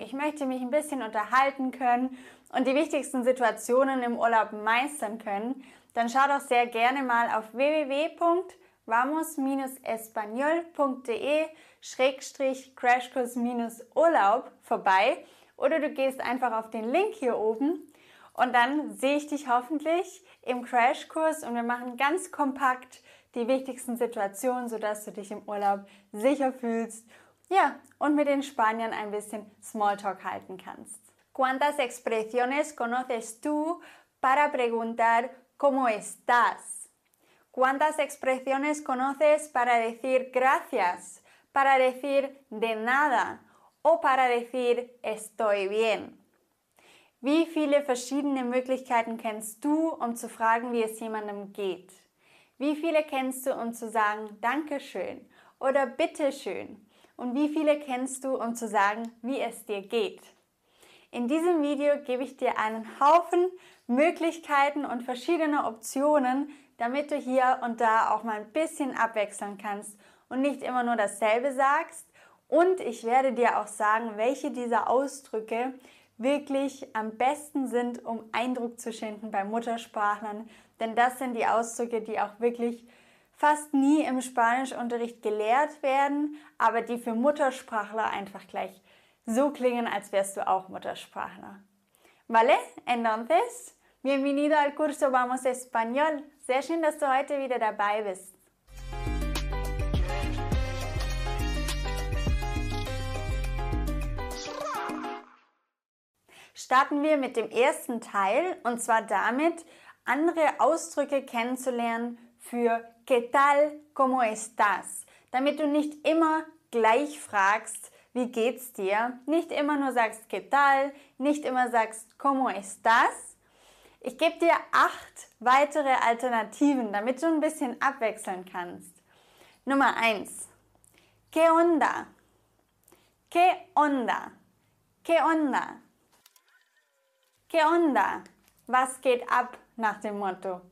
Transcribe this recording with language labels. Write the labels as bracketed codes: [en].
[de] Ich möchte mich ein bisschen unterhalten können und die wichtigsten Situationen im Urlaub meistern können, dann schau doch sehr gerne mal auf www.vamos-espanol.de/crashkurs-urlaub vorbei oder du gehst einfach auf den Link hier oben und dann sehe ich dich hoffentlich im Crashkurs und wir machen ganz kompakt die wichtigsten Situationen, sodass du dich im Urlaub sicher fühlst. Ja, und mit den Spaniern ein bisschen Smalltalk halten kannst. [es] ¿Cuántas expresiones conoces tú para preguntar cómo estás? ¿Cuántas expresiones conoces para decir gracias, para decir de nada o para decir estoy bien? [de] ¿Wie viele verschiedene Möglichkeiten kennst du, um zu fragen, wie es jemandem geht? ¿Wie viele kennst du, um zu sagen Dankeschön oder Bitteschön? Und wie viele kennst du, um zu sagen, wie es dir geht? In diesem Video gebe ich dir einen Haufen Möglichkeiten und verschiedene Optionen, damit du hier und da auch mal ein bisschen abwechseln kannst und nicht immer nur dasselbe sagst. Und ich werde dir auch sagen, welche dieser Ausdrücke wirklich am besten sind, um Eindruck zu schinden bei Muttersprachlern. Denn das sind die Ausdrücke, die auch wirklich fast nie im Spanischunterricht gelehrt werden, aber die für Muttersprachler einfach gleich so klingen, als wärst du auch Muttersprachler. [es] ¿Vale? Entonces, bienvenido al curso Vamos Español. [de] Sehr schön, dass du heute wieder dabei bist. Starten wir mit dem ersten Teil, und zwar damit, andere Ausdrücke kennenzulernen für [es] ¿Qué tal? ¿Cómo estás? [de] Damit du nicht immer gleich fragst, wie geht's dir? Nicht immer nur sagst [es] ¿Qué tal? [de] Nicht immer sagst [es] ¿Cómo estás? [de] Ich gebe dir 8 weitere Alternativen, damit du ein bisschen abwechseln kannst. [es] Nummer 1. ¿Qué onda? ¿Qué onda? ¿Qué onda? ¿Qué onda? [de] Was geht ab nach dem Motto?